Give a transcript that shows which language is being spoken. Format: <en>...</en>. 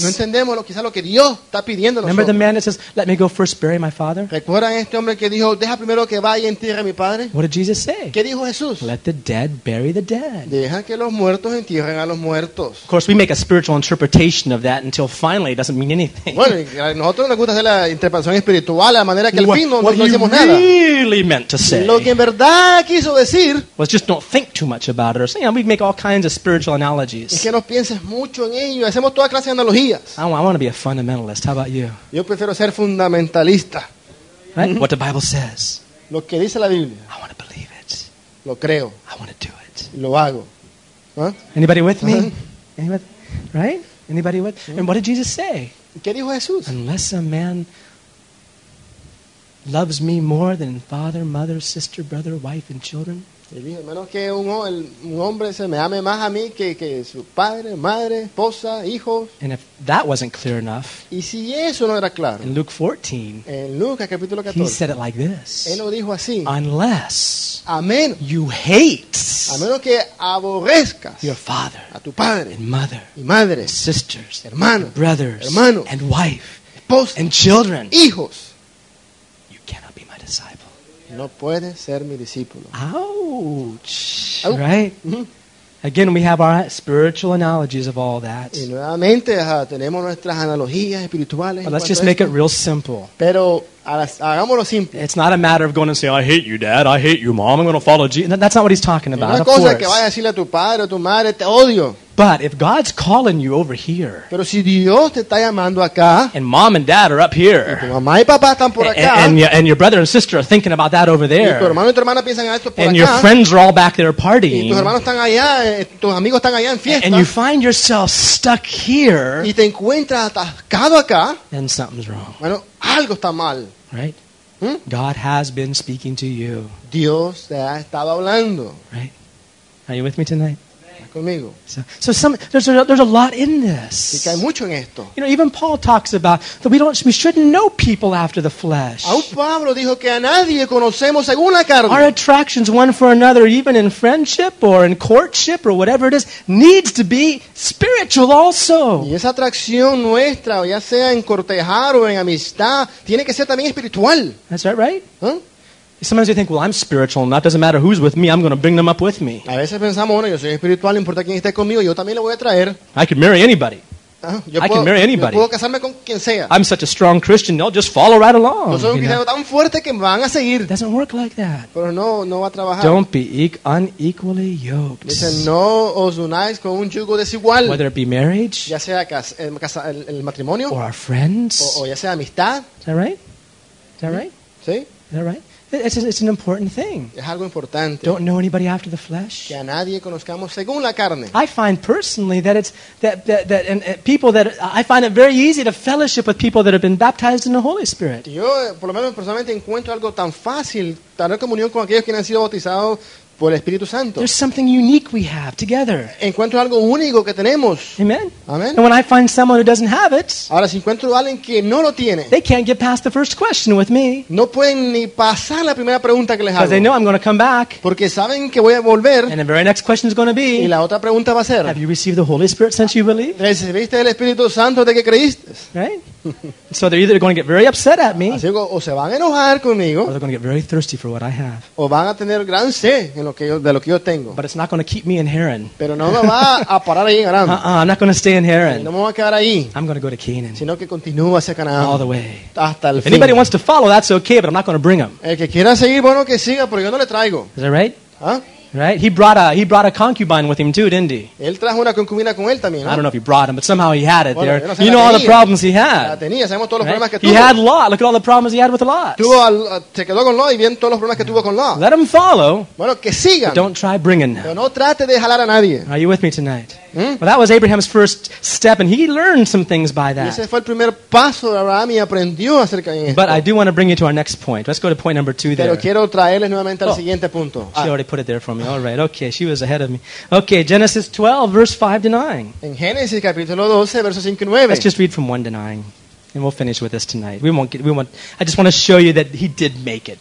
<es>No entendemos quizás lo que Dios está pidiendo.</es> <en>Remember the man that says, "Let me go first bury my father."</en> <es>¿Recuerdan este hombre que dijo, deja primero que vaya y entierre a mi padre?</es> <en>What did Jesus say?</en> <es>¿Qué dijo Jesús?</es> <en>Let the dead bury the dead.</en> <es>Deja que los muertos entierren a los muertos.</es> <en>Of course, we make a spiritual interpretation of that until finally it doesn't mean anything.</en> <es>Bueno, a nosotros nos gusta hacer la interpretación espiritual a la manera que al fin no decimos nada.</es> <en>What he really meant to say.</en> <es>Lo que en verdad quiso decir.</es> <en>Was just don't think too much about it. Or, you know, we make all kinds of spiritual analogies.</en> <es>Es que no pienses mucho en ello. Hacemos toda clase de analogías.</es> <en>I want to be a fundamentalist. How about you?</en> <es>Yo prefiero ser fundamentalista.</es> <en>Right? What the Bible says.</en> <es>Lo que dice la Biblia.</es> <en>I want to believe.</en> <es>Lo creo.</es> <en>I want to do it.</en> <es>Lo hago.</es> <en>Anybody with me? Anybody? Right? Anybody with? Yeah. And what did Jesus say?</en> <es>¿Qué dijo Jesús?</es> <en>Unless a man loves me more than father, mother, sister, brother, wife, and children.</en> <es>Menos que un hombre se me ame más a mí que su padre, madre, esposa, hijos.</es> <en>And if that wasn't clear enough.</en> <es>Y si eso no era claro.</es> <en>In Luke 14.</en> <es>En Lucas capítulo 14.</es> <en>He said it like this.</en> <es>Él lo dijo así.</es> <en>Unless. Amen. You hate.</en> <es>A menos que aborrezcas.</es> <en>Your father.</en> <es>A tu padre.</es> <en>And mother.</en> <es>Y madre.</es> <en>And sisters.</en> <es>Hermanos.</es> <en>And brothers.</en> <es>Hermanos.</es> <en>And wife.</en> <es>Esposa.</es> <en>And children.</en> <es>Hijos.</es> <en>You cannot be my disciple.</en> <es>No puede ser mi discípulo.</es> <en>Ouch. Oh. Right? Mm-hmm. Again, we have our spiritual analogies of all that.</en> <es>Y nuevamente, tenemos nuestras analogías espirituales.</es> <en>But let's just make it real simple.</en> <es>Pero Hagámoslo simple.</es> <en>It's not a matter of going and saying, I hate you, Dad. I hate you, Mom. I'm going to follow Jesus. That's not what he's talking about, of course.</en> <es>Que vaya a decirle a tu padre o tu madre, te odio.</es> <en>But if God's calling you over here,</en> <es>pero si Dios te está llamando acá,</es> <en>and Mom and Dad are up here,</en> <es>y tu mamá y papá están por acá,</es> <en>and your brother and sister are thinking about that over there,</en> <es>y tu hermano y tu hermana piensan esto por</es> <en>and your friends are all back there partying,</en> <es>y tus hermanos están allá, tus amigos están allá en fiesta,</es> <en>and you find yourself stuck here,</en> <es>y te encuentras atascado acá,</es> <en>then something's wrong.</en> <es>Bueno, algo está mal.</es> <en>Right? God has been speaking to you.</en> <es>Dios te ha estado hablando.</es> <en>Right? Are you with me tonight?</en> <es>Conmigo.</es> <en>So there's a lot in this.</en> <es>Y que hay mucho en esto.</es> <en>You know, even Paul talks about that we shouldn't know people after the flesh.</en> <es>Aún Pablo dijo que a nadie conocemos según la carne.</es> <en>Our attractions one for another, even in friendship or in courtship or whatever it is, needs to be spiritual also.</en> <es>Y esa atracción nuestra, ya sea en cortejar o en amistad, tiene que ser también espiritual.</es> <en>That's right, right? Huh? Sometimes you think, well, I'm spiritual and that doesn't matter who's with me, I'm going to bring them up with me.</en> <es>A veces pensamos, bueno, yo soy espiritual, no importa quién esté conmigo, yo también lo voy a traer.</es> <en>I can marry anybody.</en> <es>Yo puedo casarme con quien sea.</es> <en>I'm such a strong Christian, they'll just follow right along.</en> <es>Yo soy un cristiano tan fuerte que van a seguir.</es> <en>It doesn't work like that.</en> <es>Pero no va a trabajar.</es> <en>Don't be unequally yoked.</en> <es>Dice, no os unáis con un yugo desigual.</es> <en>Whether it be marriage,</en> <es>ya sea el matrimonio,</es> <en>or our friends,</en> <es>o ya sea amistad.</es> <en>Is that right? Is that right?</en> <es>Sí.</es> <en>Is that right? It's an important thing.</en> <es>Es algo importante.</es> <en>Don't know anybody after the flesh.</en> <es>Que a nadie conozcamos según la carne.</es> <en>I find personally that it's that people that I find it very easy to fellowship with people that have been baptized in the Holy Spirit.</en> <es>Yo por lo menos personalmente encuentro algo tan fácil tener comunión con aquellos que han sido bautizados por el Espíritu Santo.</es> <en>There's something unique we have together.</en> <es>Encuentro algo único que tenemos. Amen. Amen.</es> <en>And when I find someone who doesn't have it,</en> <es>ahora, si encuentro a alguien que no lo tiene,</es> <en>they can't get past the first question with me.</en> <es>No pueden ni pasar la primera pregunta que les hago.</es> <en>Because they know I'm going to come back.</en> <es>Porque saben que voy a volver.</es> <en>And the very next question is going to be,</en> <es>y la otra pregunta va a ser,</es> <en>have you received the Holy Spirit since you believed?</en> <es>¿Recibiste el Espíritu Santo desde que creíste?</es> <en>Right? So they're either going to get very upset at me,</en> <es>así, o se van a enojar conmigo,</es> <en>or they're going to get very thirsty for what I have.</en> <es>O van a tener gran sed en lo que yo tengo.</es> <en>But it's not going to keep me in Haran.</en> <es>Pero no me va a parar ahí en Haran.</es> <en>I'm not going to stay in Haran.</en> <es>No me voy a quedar ahí.</es> <en>I'm going to go to Canaan.</en> <es>Sino que continúo hacia Canaán.</es> <en>All the way.</en> <es>Hasta el fin.</es> <en>Anybody wants to follow, that's okay, but I'm not going to bring him.</en> <es>El que quiera seguir, bueno, que siga, pero yo no le traigo.</es> <en>Is that right? Huh? Right? He brought a concubine with him too, didn't he?</en> <es>Él trajo una concubina con él también, ¿no?</es> <en>I don't know if he brought him, but somehow he had it,</en> <es>bueno,</es> <en>there.</en> <es>No sé,</es> <en>you know all the problems he had.</en> <es>La tenía. Sabemos todos, right? Los problemas que</es> <en>he</en> <es>tuvo.</es> <en>Had Lot. Look at all the problems he had with Lot.</en> <es>Tuvo al, se quedó con Lot y bien todos los problemas que tuvo con Lot.</es> <en>Let him follow.</en> <es>Bueno, que sigan.</es> <en>But don't try bringing him.</en> <es>Pero no trate de jalar a nadie.</es> <en>Are you with me tonight? Hmm? Well, that was Abraham's first step, and he learned some things by that.</en> <es>Ese fue el primer paso de Abraham y aprendió acerca de esto.</es> <en>But I do want to bring you to our next point. Let's go to point number two there.</en> <es>Pero quiero traerles nuevamente al siguiente punto.</es> <en>She already put it there for me. All right. Okay. She was ahead of me. Okay. Genesis 12, verse 5 to 9.</en> <es>En Génesis capítulo 12, verso 5 y 9.</es> <en>Let's just read from 1 to 9. And we'll finish with this tonight. I just want to show you that he did make it.</en>